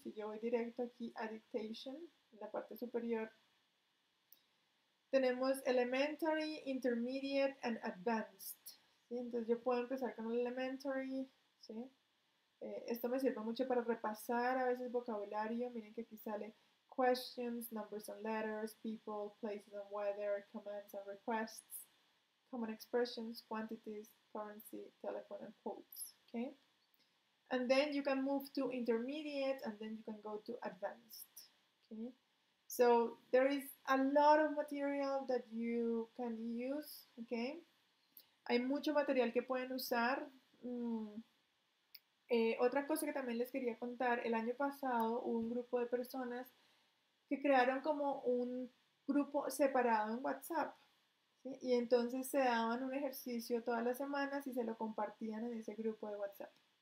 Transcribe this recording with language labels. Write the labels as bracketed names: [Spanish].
[Spanish] Si yo voy directo aquí a dictation, en la parte superior, tenemos [English] elementary, intermediate, and advanced. [Spanish] ¿Sí? Entonces yo puedo empezar con el elementary, ¿sí? Esto me sirve mucho para repasar a veces vocabulario. Miren que aquí sale [English] questions, numbers and letters, people, places and weather, commands and requests, common expressions, quantities, currency, telephone and quotes, [Spanish] okay? [English] And then you can move to intermediate, and then you can go to advanced, okay? So there is a lot of material that you can use, okay? [Spanish] Hay mucho material que pueden usar. Otra cosa que también les quería contar, el año pasado hubo un grupo de personas que crearon como un grupo separado en WhatsApp, ¿sí? Y entonces se daban un ejercicio todas las semanas y se lo compartían en ese grupo de WhatsApp.